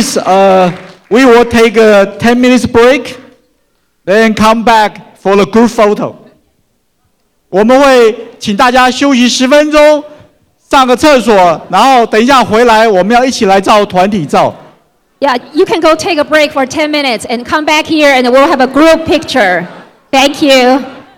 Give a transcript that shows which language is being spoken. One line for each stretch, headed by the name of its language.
English: We will take a 10 minutes break, then come back for the group photo.
Chinese: 我们会请大家休息十分钟，上个厕所，然后等一下回来，我们要一起来照团体照。
English: Yeah, you can go take a break for 10 minutes and come back here and we'll have a group picture. Thank you.